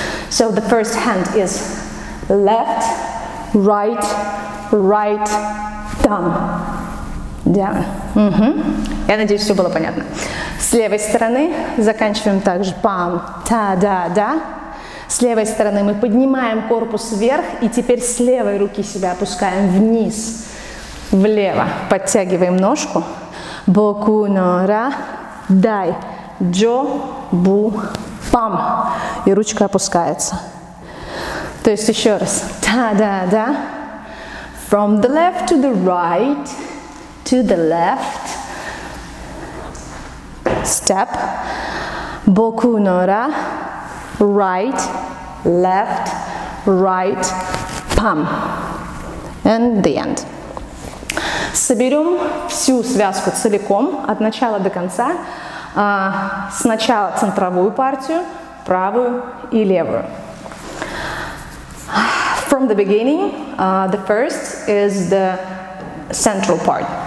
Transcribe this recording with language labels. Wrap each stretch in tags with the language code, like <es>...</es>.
<en>So the first hand is left, right, right, thumb, down. Mm-hmm.</en> <ru>Я надеюсь, все было понятно. С левой стороны заканчиваем также пам, та-да-да. С левой стороны мы поднимаем корпус вверх и теперь с левой руки себя опускаем вниз, влево. Подтягиваем ножку. Боку но ра, дай, джо, бу, пам. И ручка опускается. То есть еще раз. Та-да-да.</ru> <en>From the left to the right, to the left. Step. Боку но ра, right, left, right, пам. And the end.</en> <ru>Соберем всю связку целиком, от начала до конца. Сначала центровую партию, правую и левую.</ru> <en>From the beginning, the first is the central part.</en>